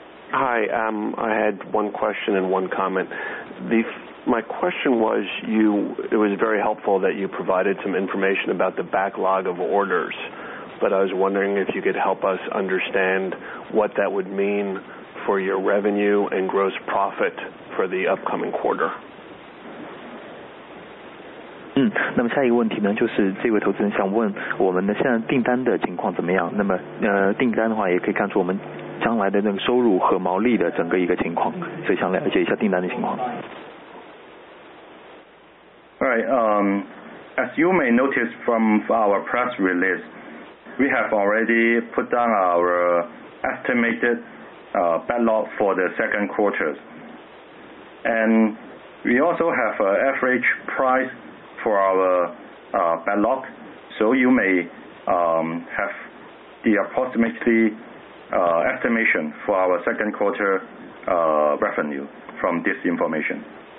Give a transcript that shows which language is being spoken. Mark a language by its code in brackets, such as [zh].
[en] Hi, I had one question and one comment. My question was, it was very helpful that you provided some information about the backlog of orders but I was wondering if you could help us understand what that would mean for your revenue and gross profit for the upcoming quarter. [zh] 那么下一个问题呢，就是这位投资人想问我们的现在订单的情况怎么样？那么订单的话，也可以看出我们将来的那个收入和毛利的整个一个情况，所以想了解一下订单的情况。 [en] All right, as you may notice from our press release, we have already put down our estimated backlog for the second quarters, and we also have an average price for our backlog, so you may have the approximately estimation for our second quarter revenue from this information.